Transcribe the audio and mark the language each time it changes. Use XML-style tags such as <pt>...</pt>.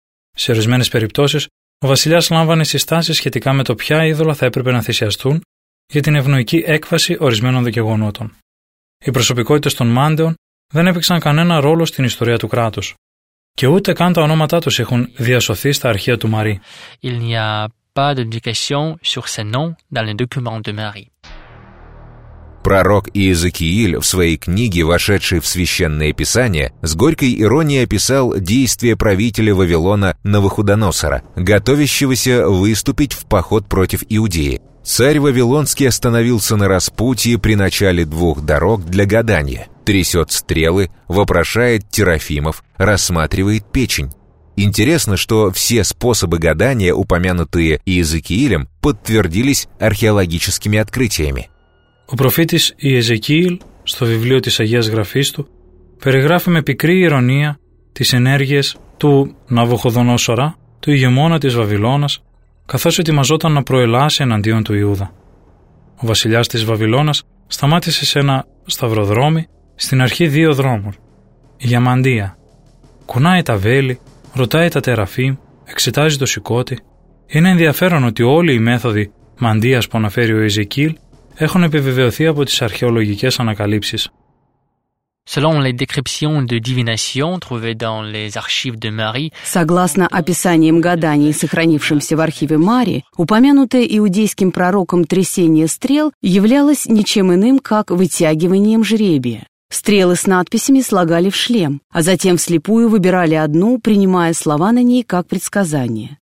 <el>Σε ορισμένες περιπτώσεις, ο βασιλιάς λάμβανε συστάσεις σχετικά με το ποια είδωλα θα έπρεπε να θυσιαστούν για την ευνοϊκή έκβαση ορισμένων γεγονότων. Οι προσωπικότητες των μάντεων δεν έπαιξαν κανένα ρόλο στην ιστορία του κράτους και ούτε καν τα ονόματά τους έχουν διασωθεί στα αρχεία του Μαρί.</el> <fr>Il n'y a pas d'indication sur ces noms dans les documents de Marie.</fr> <ru>Пророк Иезекииль в своей книге, вошедшей в Священное Писание, с горькой иронией описал действия правителя Вавилона Навуходоносора, готовящегося выступить в поход против Иудеи. Царь Вавилонский остановился на распутье при начале двух дорог для гадания, трясет стрелы, вопрошает терафимов, рассматривает печень. Интересно, что все способы гадания, упомянутые Иезекиилем, подтвердились археологическими открытиями.</ru> <el>Ο προφήτης Ιεζεκίηλ, στο βιβλίο της Αγίας Γραφής του, περιγράφει με πικρή ειρωνία τις ενέργειες του Ναβουχοδονόσορα, του ηγεμόνα της Βαβυλώνας, καθώς ετοιμαζόταν να προελάσει εναντίον του Ιούδα. Ο βασιλιάς της Βαβυλώνας σταμάτησε σε ένα σταυροδρόμι στην αρχή δύο δρόμων, η Γιαμαντία. Κουνάει τα βέλη, ρωτάει τα τεραφείμ, εξετάζει το σηκώτη. Είναι ενδιαφέρον ότι όλοι οι μέθοδοι μαντίας που αναφέρει ο Ιεζεκίηλ έχουν επιβεβαιωθεί από τις αρχαιολογικές ανακαλύψεις.</el> <fr>Selon les descriptions de divination trouvées dans les archives de Marie,</fr> <ru>согласно описаниям гаданий, сохранившимся в архиве Марии, упомянутое иудейским пророком трясение стрел являлось ничем иным, как вытягиванием жребия. Стрелы с надписями слагали в шлем, а затем вслепую выбирали одну, принимая слова на ней как предсказание.</ru>